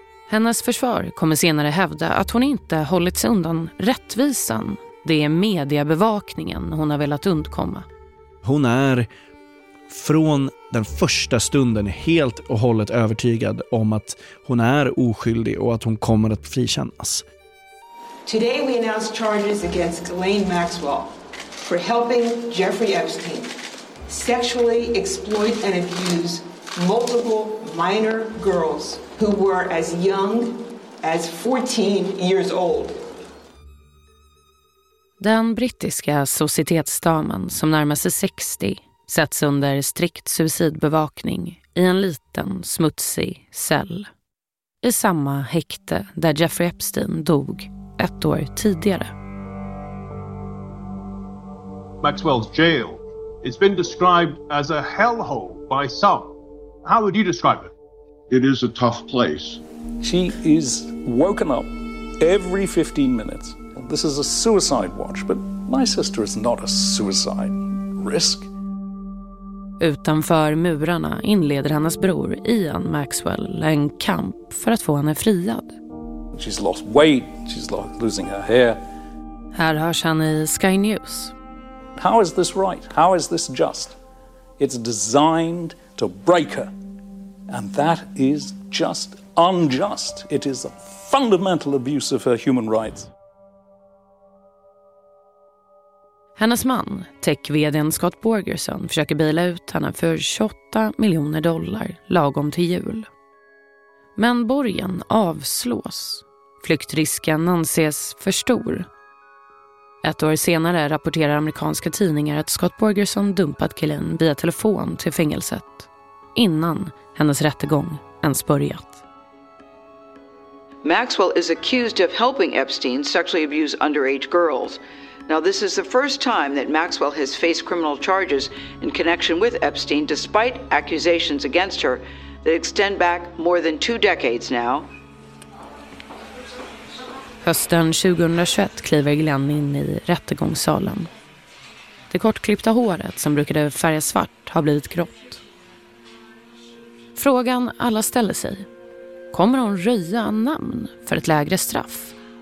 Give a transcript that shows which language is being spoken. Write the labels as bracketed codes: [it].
[sv] Hennes försvar kommer senare hävda att hon inte hållit sig undan rättvisan. Det är mediebevakningen hon har velat undkomma. Hon är från den första stunden helt och hållet övertygad om att hon är oskyldig och att hon kommer att frikännas. [en] Today we announce charges against Ghislaine Maxwell for helping Jeffrey Epstein sexually exploit and abuse multiple minor girls who were as young as 14 years old. [sv] Den brittiska societetsdamen som närmar sig 60 sätts under strikt suicidbevakning i en liten, smutsig cell. I samma häkte där Jeffrey Epstein dog ett år tidigare. [en] Maxwell's jail has been described as a hellhole by some. How would you describe it? It is a tough place. She is woken up every 15 minutes. This is a suicide watch, but my sister is not a suicide risk. [sv] Utanför murarna inleder hennes bror Ian Maxwell en kamp för att få henne friad. [en] She's lost weight, she's losing her hair. [sv] Här hörs han i Sky News. [en] How is this right? How is this just? It's designed to break her. And that is just unjust. It is a fundamental abuse of her human rights. [sv] Hennes man, tech-vdn Scott Borgerson, försöker bila ut henne för $28 million lagom till jul. Men borgen avslås. Flyktrisken anses för stor. Ett år senare rapporterar amerikanska tidningar att Scott Borgerson dumpat Ghislaine via telefon till fängelset innan hennes rättegång ens börjat. [en] Maxwell is accused of helping Epstein sexually abuse underage girls. Now this is the first time that Maxwell has faced criminal charges in connection with Epstein despite accusations against her that extend back more than two decades now. [sv] Hösten 2021 kliver Glenn in i rättegångssalen. Det kortklippta håret som brukade färgas svart har blivit grått. Frågan alla ställer sig. Kommer hon röja namn för ett lägre straff?